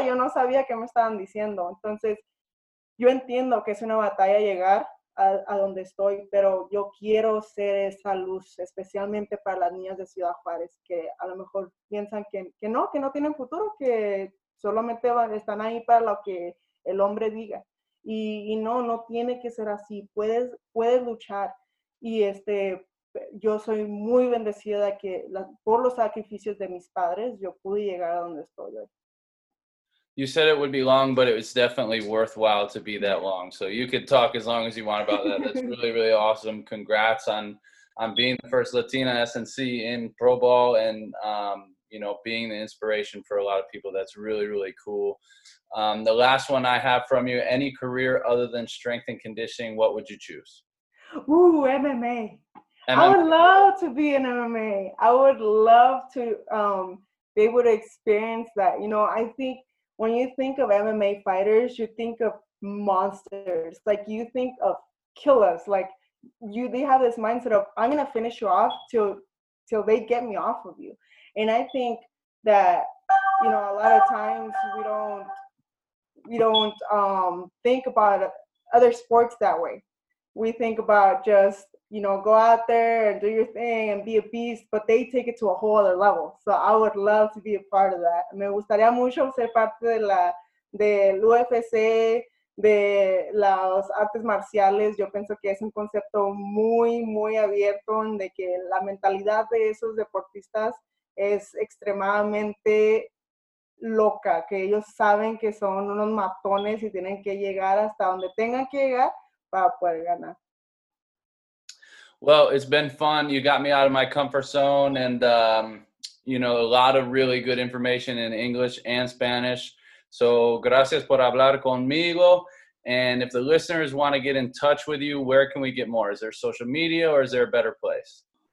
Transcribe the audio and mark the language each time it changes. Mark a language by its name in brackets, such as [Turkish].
[Spanish] Yo no sabía qué me estaban diciendo. Entonces, yo entiendo que es una batalla llegar a donde estoy, pero yo quiero ser esa luz, especialmente para las niñas de Ciudad Juárez, que a lo mejor piensan que no tienen futuro, que solamente están ahí para lo que el hombre diga. Y no tiene que ser así. Puedes luchar. Y yo soy muy bendecida de que por los sacrificios de mis padres yo pude llegar a donde estoy hoy. [English] You said it would be long, but it was definitely worthwhile to be that long. So you could talk as long as you want about that. That's really, really awesome. Congrats on being the first Latina SNC in pro ball and, you know, being the inspiration for a lot of people. That's really, really cool. The last one I have from you, any career other than strength and conditioning, what would you choose? Ooh, MMA. I would love to be in MMA. I would love to be able to experience that. You know, I think when you think of MMA fighters, you think of monsters. Like, you think of killers. Like, they have this mindset of, I'm going to finish you off till they get me off of you. And I think that, you know, a lot of times we don't think about other sports that way. We think about just, you know, go out there and do your thing and be a beast, but they take it to a whole other level. So I would love to be a part of that. [Spanish] Me gustaría mucho ser parte de la del UFC, de las artes marciales. Yo pienso que es un concepto muy, muy abierto, de que la mentalidad de esos deportistas es extremadamente loca, que ellos saben que son unos matones y tienen que llegar hasta donde tengan que llegar para poder ganar. [English] Well, it's been fun. You got me out of my comfort zone and, you know, a lot of really good information in English and Spanish. So, [Spanish] gracias por hablar conmigo. [English] And if the listeners want to get in touch with you, where can we get more? Is there social media or is there a better place?